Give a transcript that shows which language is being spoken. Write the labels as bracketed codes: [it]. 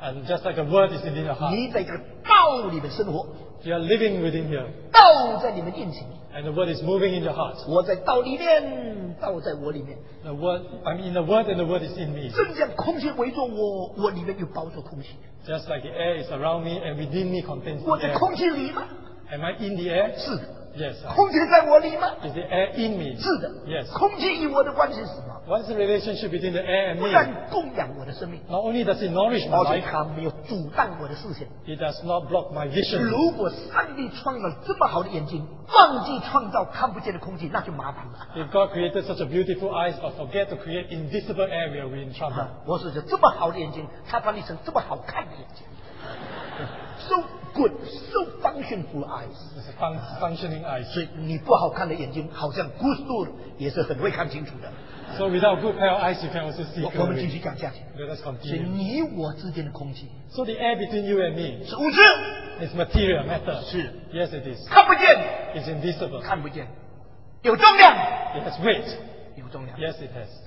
[en] and just like the word is in your heart. [zh] 你在这个道里面生活， [en] you are living within here. [zh] 道在里面运行， [en] and the word is moving in your heart. [zh] 我在道里面， 道在我里面， [en] the word, I mean the word and the word is in me. [zh] 正像空气围着我， 我里面又包着空气。 [en] Just like the air is around me and within me contains the air. [zh] 我在空气里吗? [en] Am I in the air? [zh] 是的。 [en] Yes. [zh] 空气在我里吗? [en] Is the air in me? [zh] 是的。 [en] Yes. [zh] 空气与我的关系是什么? [en] What's the relationship between the air and me? [zh] 不但供养我的生命, [en] not only does it nourish my life, [zh] 而且它没有阻挡我的视线, [en] it does not block my vision. [zh] 如果上帝创造这么好的眼睛, 忘记创造看不见的空气, 那就麻烦了。 [en] If God created such a beautiful eyes but forget to create invisible air, we are in trouble. [zh] 我说这么好的眼睛, 它把你成这么好看的眼睛。 [en] So good, so functional eyes. It's a functioning eyes. [zh] 所以你不好看的眼睛, 好像good, 也是很会看清楚的。 [en] So without a good pair of eyes, you can also see clearly. [zh] 我们继续讲下去。 [en] Let us continue. [zh] 所以你我之间的空气, [en] so the air between you and me, [zh] 是物质, [en] it's material, matter. [zh] 是, [en] yes, it is. [zh] 看不见, [en] it's invisible. [zh] 看不见, 有重量, [en] it has weight. [zh] 有重量, [en] yes, it has.